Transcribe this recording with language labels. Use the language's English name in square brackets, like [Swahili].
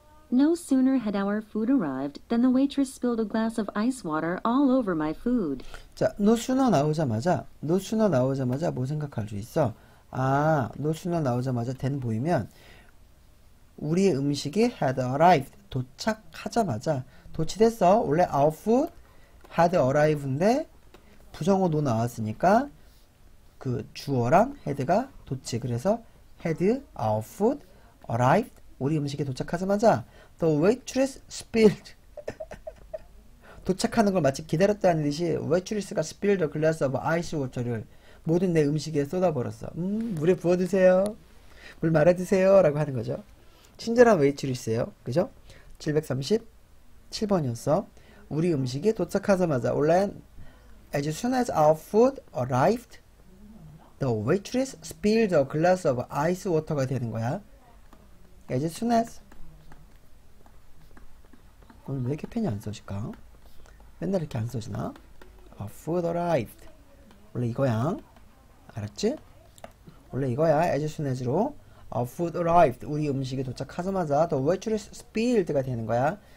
[English] No sooner had our food arrived than the waitress spilled a glass of ice water all over my food. [Korean] 자, 노 순어 나오자마자 뭐 생각할 수 있어? 아, 노 순어 나오자마자 된 보이면 우리의 음식이 [English] had arrived, [Korean] 도착하자마자 도치됐어. 원래 [English] our food had arrived [Korean] 인데 부정어 노 나왔으니까 그 주어랑 head가 도치. 그래서 [English] had our food arrived, [Korean] 우리 음식이 도착하자마자 [English] the waitress spilled. [Korean] 도착하는 걸 마치 기다렸다는 듯이 waitress가 [English] spilled a glass of ice water [Korean] 를 모든 내 음식에 쏟아버렸어. 물에 부어드세요. 물 말아드세요. 라고 하는 거죠. 친절한 웨이트리스예요. 그죠? 737번이었어. 우리 음식이 도착하자마자 올라온 [English] as soon as our food arrived, the waitress spilled a glass of ice water [Korean] 가 되는 거야. [English] as soon as. [Korean] 오늘 왜 이렇게 펜이 안 써질까? 맨날 이렇게 안 써지나? [English] our food arrived. [Korean] 원래 이거야. 알았지? 원래 이거야. [English] as soon as [Korean] 로. [English] Our food arrived. [Korean] 우리 음식이 도착하자마자 [English] the waitress spilled [Korean] 가 되는 거야.